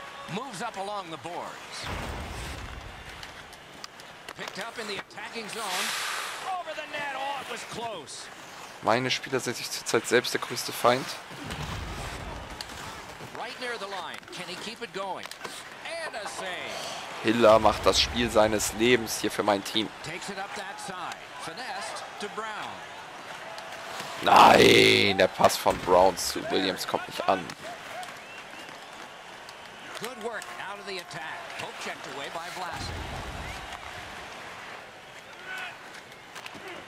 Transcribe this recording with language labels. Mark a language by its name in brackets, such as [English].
[English] Moves up along the boards. Picked up in the attacking zone. Over the net. Oh, it was close. [German] Meine Spieler sind sich zurzeit selbst der größte Feind. [English] Right near the line. Can he keep it going? And a save. [German] Hiller macht das Spiel seines Lebens hier für mein Team. [English] Takes it up that side. Finesse to Brown. [German] Nein, der Pass von Brown zu Williams kommt nicht an. [English] Good work out of the attack. Hope checked away by Vlasic.